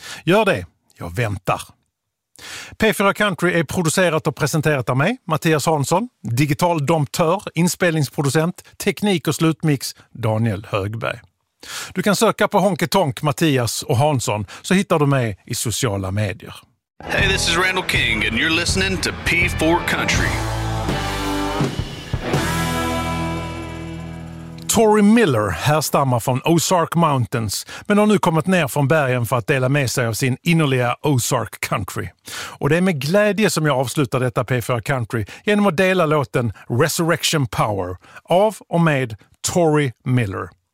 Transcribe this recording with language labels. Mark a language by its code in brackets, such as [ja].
[sv] Gör det, jag väntar. P4 Country är producerat och presenterat av mig, Mattias Hansson, digital domtör, inspelningsproducent, teknik och slutmix, Daniel Högberg. Du kan söka på Honky Tonk Mattias och Hansson så hittar du mig i sociala medier. [en] Hey, this is Randall King and you're listening to P4 Country. [sv] Tori Miller härstammar från Ozark Mountains men har nu kommit ner från bergen för att dela med sig av sin innerliga Ozark Country. Och det är med glädje som jag avslutar detta P4 Country genom att dela låten Resurrection Power av och med Tori Miller.